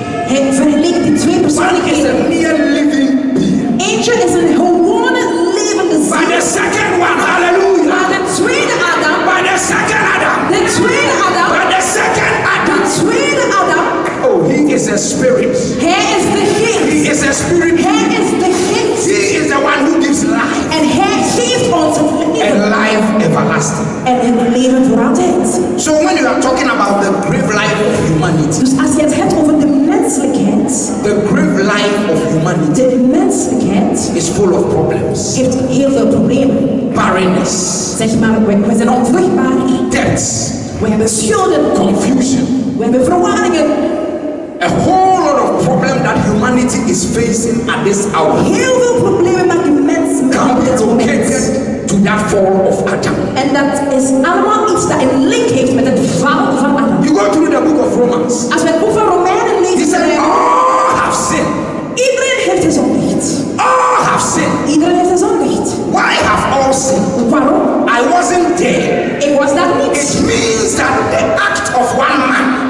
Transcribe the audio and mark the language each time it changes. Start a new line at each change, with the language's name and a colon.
Dutch: Hij vergelijkt de twee personen.
English: One is a mere living being.
Dutch: Eentje is een gewone levende ziel.
English: By the second one, hallelujah.
Dutch: Maar de tweede Adam.
English: By the second Adam.
Dutch: De tweede Adam.
English: By the second Adam.
Dutch: De tweede Adam.
English: Oh, he is a spirit.
Dutch: Hij is de geest.
English: He is a spirit.
Dutch: Hij is de geest.
English: He is the one who gives life.
Dutch: En hij geeft ons het leven.
English: And life everlasting.
Dutch: En het leven voor altijd.
English: So when you are talking about the grave life of humanity.
Dutch: Dus als je het hebt over de menselijkheid.
English: The grave life of humanity.
Dutch: De menselijkheid.
English: Is full of problems.
Dutch: Heeft heel veel problemen.
English: Barrenness.
Dutch: Zeg maar, we zijn onvruchtbaar.
English: Debts.
Dutch: We hebben schulden.
English: Confusion.
Dutch: We hebben verwarringen.
English: A whole lot of problems that humanity is facing at this hour.
Dutch: Heel veel problemen maar die mens.
English: Can be located. That fall of Adam.
Dutch: En dat is allemaal iets dat een link heeft met het val van Adam.
English: You go through the book of Romans.
Dutch: Als we het boek van Romeinen lezen.
English: He said, all have sinned.
Dutch: Iedereen heeft een zonde.
English: All have sinned.
Dutch: Iedereen heeft een zonde.
English: Why have all sinned?
Dutch: Waarom?
English: I wasn't there. It was that mix. It means that the act of one man